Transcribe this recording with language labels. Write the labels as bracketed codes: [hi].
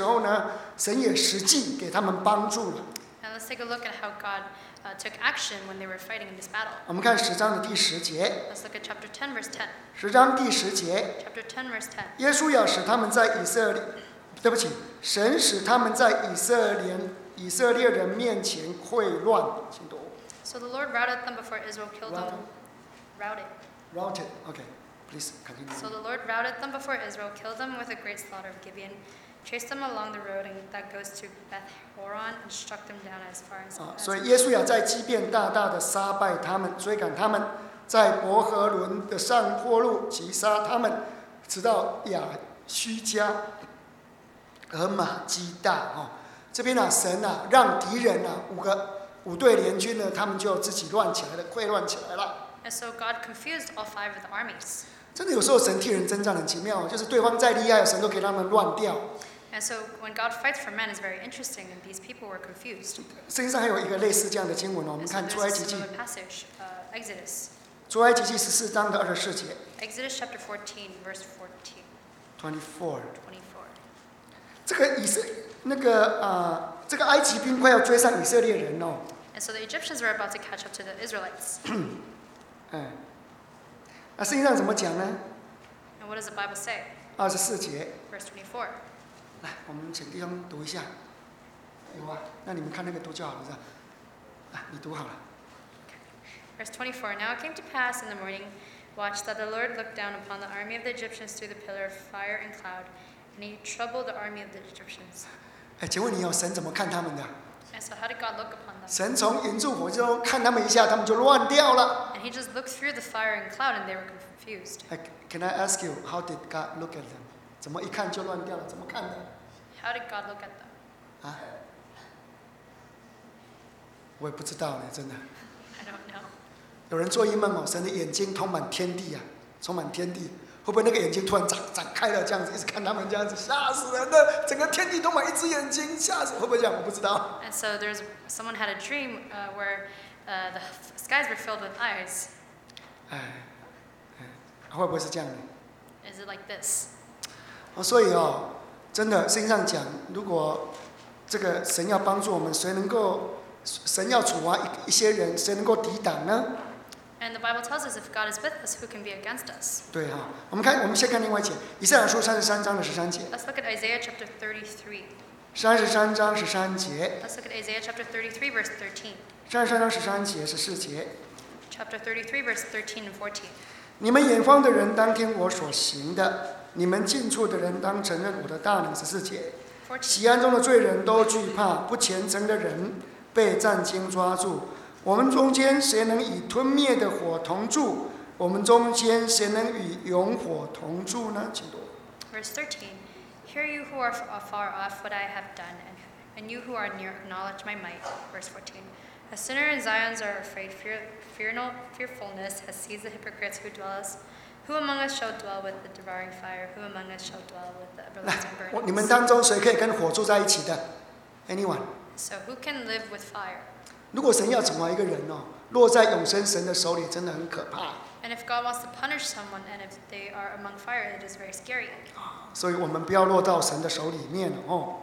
[zh] 那我们再来看哦，他们在真正战争的时候呢，神也实际给他们帮助了。 [en] And let's take a look at how God took action when they were fighting in this battle. [zh] 我们看十章的第十节。 [en] Let's look at chapter 10, verse 10. [zh] 十章第十节。 [en] Chapter 10, verse 10. [zh] 神使他们在以色列人面前溃乱。请读。 [en] So the Lord routed them before Israel killed them. Routed. Routed. Okay. Please continue. So the Lord routed them before Israel, killed them with a great slaughter of Gibeon, chased them along the road that goes to Beth Horon, and struck them down as far as. [zh] 所以耶稣亚在基遍大大的杀败他们，追赶他们，在伯和伦的上坡路击杀他们，直到亚须加和马基大。这边呢、啊，神啊，让敌人呢、啊，五队联军呢，他们就自己乱起来了，溃乱起来了。 [en] And so God confused all five of the armies. [zh] 真的有时候神替人征战很奇妙，就是对方再厉害，神都给他们乱掉。 [en] And so when God fights for men, it's very interesting, and these people were confused. [zh] 圣经上还有一个类似这样的经文、哦、我们看出埃及记。 [en] Similar passage, Exodus. [zh] 出埃及记十四章的二十四节。 [en] Exodus chapter 14, verse 14. 24. 24. [zh] 这个以色那个这个埃及兵快要追上以色列人哦。 [en] And so the Egyptians were about to catch up to the Israelites. [zh] 嗯，那圣经上怎么讲呢 [en] ？And what does the Bible say? [zh] 二十四节。 [en] Verse 24. [zh] 来，我们请弟兄读一下。有啊，那你们看那个读就好了，是吧？啊，你读好了。 [en] Verse 24. Now it came to pass in the morning, watch, that the Lord looked down upon the army of the Egyptians through the pillar of fire and cloud. And he troubled the army of the Egyptians. [zh] 请问你有神怎么看他们的 [en] ？And so how did God look upon them? [zh] 神从云柱火中看他们一下，他们就乱掉了。 [en] And he just looked through the fire and cloud, and they were confused. Can I ask you how did God look at them? [zh] 怎么一看就乱掉了？怎么看的 [en] ？How did God look at them? 啊？ [zh] 我也不知道呢，真的。 [en] I don't know. [zh] 有人做一梦哦，神的眼睛充满天地啊，充满天地。会不会那个眼睛突然展开了，这样子一直看他们这样子，吓死人了！整个天地都满一只眼睛，吓死！会不会这样？我不知道。 [en] And so there's someone had a dream where the skies were filled with eyes. [zh] 哎，会不会是这样 [en] ？Is it like this? [zh] 所以哦，真的圣经上讲，如果这个神要帮助我们，谁能够神要处罚一些人，谁能够抵挡呢？ [en] And the Bible tells us if God is with us, who can be against us? [zh] 对哈，我们先看另外一节，以赛亚书三十三章的十三节。 [en] Let's look at Isaiah chapter 33. [zh] 三十三章十三节。 [en] Let's look at Isaiah chapter 33, verse 13. [zh] 三十三章十三节十四节。 [en] Chapter 33, verse 13 and 14. [zh] 你们远方的人当听我所行的，你们近处的人当承认我的大能。十四节。 [en] 14. [zh] 西安中的罪人都惧怕，不虔诚的人被战惊抓住。我们中间谁能与吞灭的火同住？我们中间谁能与永火同住呢？请读。 [en] Verse 13, hear you who are afar off what I have done, and you who are near acknowledge my might. Verse 14, a sinner in Zion's are afraid. Fearfulness has seized the hypocrites who dwell us. Who among us shall dwell with the devouring fire? Who among us shall dwell with the everlasting burning? [zh] 你们当中谁可以跟火住在一起的 ？ [en] Anyone? So who can live with fire? [zh] 如果神要惩罚一个人哦，落在永生神的手里，真的很可怕。 [en] And if God wants to punish someone, and if they are among fire, it is very scary. [zh] 所以我们不要落到神的手里面哦。